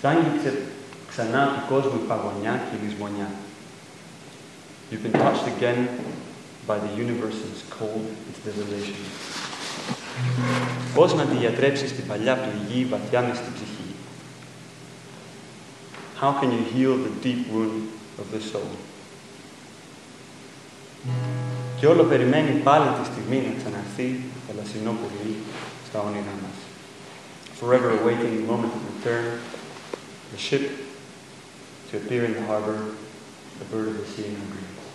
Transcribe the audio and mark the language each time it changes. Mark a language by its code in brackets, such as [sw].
[el] Σ' άγγιξε ξανά του κόσμου η παγωνιά και η λησμονιά. [en] You've been touched again by the universe's cold and desolation. [el] Πώς να τη διατρέψεις την παλιά πληγή βαθιά μες στην ψυχή. [en] How can you heal the deep wound of the soul? [el] Και όλο περιμένει πάλι τη στιγμή να ξαναρθεί θαλασσινό πουλί στα όνειρά μας. [en] Forever awaiting the moment of return, the ship to appear in the harbor, the bird of the sea in Hungary.